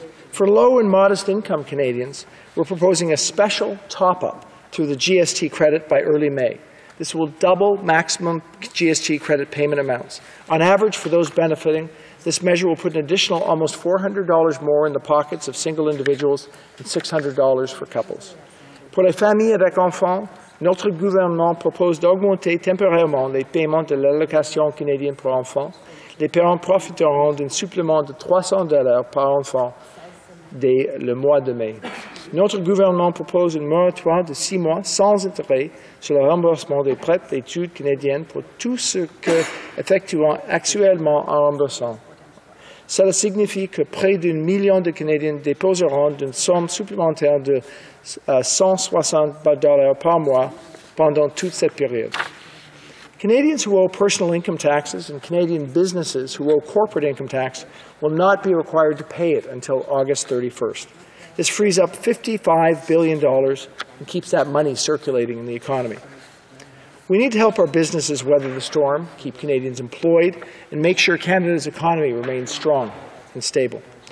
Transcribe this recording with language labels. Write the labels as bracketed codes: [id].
[en] For low and modest income Canadians, we're proposing a special top-up through the GST credit by early May. This will double maximum GST credit payment amounts. On average, for those benefiting, this measure will put an additional almost $400 more in the pockets of single individuals and $600 for couples. [fr] Pour les familles avec enfants, notre gouvernement propose d'augmenter temporairement les paiements de l'allocation canadienne pour enfants. Les parents profiteront d'un supplément de $300 par enfant dès le mois de mai. Notre gouvernement propose une moratoire de 6 mois sans intérêt sur le remboursement des prêts d'études canadiennes pour tout ce que effectuent actuellement en remboursant. Cela signifie que près d'un million de Canadiens déposeront une somme supplémentaire de $160 par mois pendant toute cette période. [en] Canadians who owe personal income taxes and Canadian businesses who owe corporate income tax will not be required to pay it until August 31st. This frees up $55 billion and keeps that money circulating in the economy. We need to help our businesses weather the storm, keep Canadians employed, and make sure Canada's economy remains strong and stable.